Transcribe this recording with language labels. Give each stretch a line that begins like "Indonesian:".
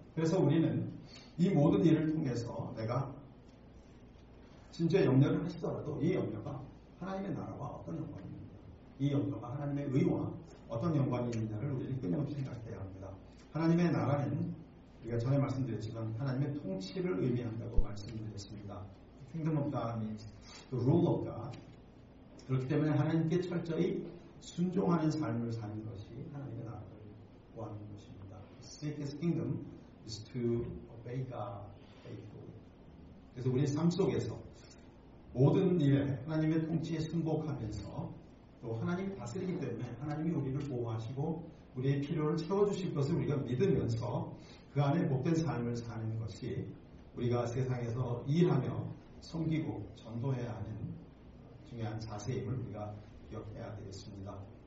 Korean: 그래서 우리는 이 모든 일을 통해서 내가 진짜 염려를 하시더라도 이 염려가 하나님의 나라와 어떤 연관이 있는가, 이 염려가 하나님의 의와 어떤 연관이 있는가를 우리는 끊임없이 생각해야 합니다. 하나님의 나라는 우리가 전에 말씀드렸지만 하나님의 통치를 의미한다고 말씀드렸습니다.
English: Kingdom of God means the rule of God.
Korean: 그렇기 때문에 하나님께 철저히 순종하는 삶을 사는 것이 하나님의 나라를 구하는 것입니다.
English: Seek His kingdom is to obey God faithfully.
Korean: 그래서 우리 삶 속에서 모든 일에 하나님의 통치에 순복하면서 또 하나님 다스리기 때문에 하나님이 우리를 보호하시고 우리의 필요를 채워주실 것을 우리가 믿으면서 그 안에 복된 삶을 사는 것이 우리가 세상에서 일하며 섬기고 전도해야 하는 중요한 자세임을 우리가 기억해야 되겠습니다.